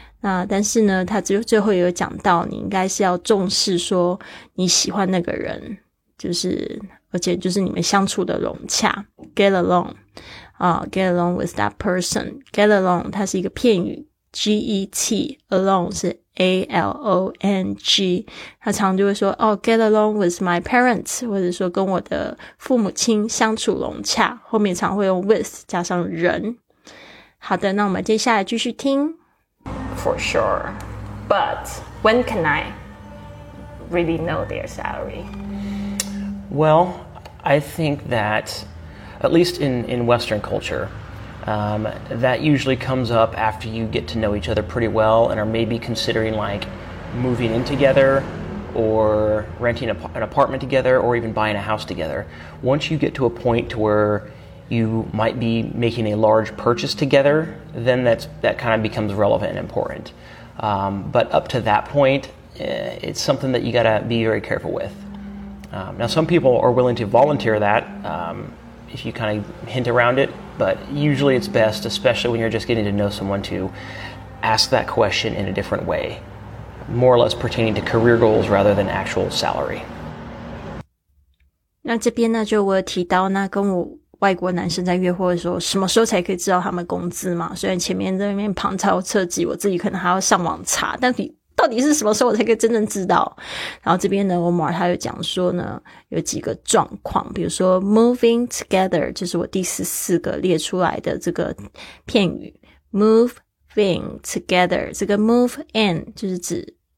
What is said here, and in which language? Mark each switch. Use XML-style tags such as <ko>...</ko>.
<zh>那但是呢，他最后有讲到，你应该是要重视说你喜欢那个人，就是而且就是你们相处的融洽 ，get along， 啊、，</zh> <en>get along with that person，</en> <zh>get along， 它是一个片语 ，get along 是 a l o n g， 他常就会说哦 ，</zh> <en>get along with my parents，</en> <zh>或者说跟我的父母亲相处融洽，后面常会用 with 加上人。好的，那我们接下来继续听。</zh> <en>For sure. But when can I really know their salary? Well, I think that, at least in Western culture, that usually comes up after you get to know each other pretty well and are maybe considering like moving in together or renting an apartment together or even buying a house together. Once you get to a point to where you might be making a large purchase together, then that kind of becomes relevant and important. But up to that point, it's something that you gotta be very careful with. Now, some people are willing to volunteer that if you kind of hint around it, but usually it's best, especially when you're just getting to know someone, to ask that question in a different way, more or less pertaining to career goals rather than actual salary.</en> <zh>那这边呢，就我提到那跟我外国男生在约会的时候，什么时候才可以知道他们工资嘛？虽然前面在那边旁敲侧击，我自己可能还要上网查，但到底是什么时候我才可以真正知道？然后这边呢 ，Omar 他又讲说呢，有几个状况，比如说 moving together， 就是我第十四个列出来的这个片语 moving together， 这个 move in 就是指</zh>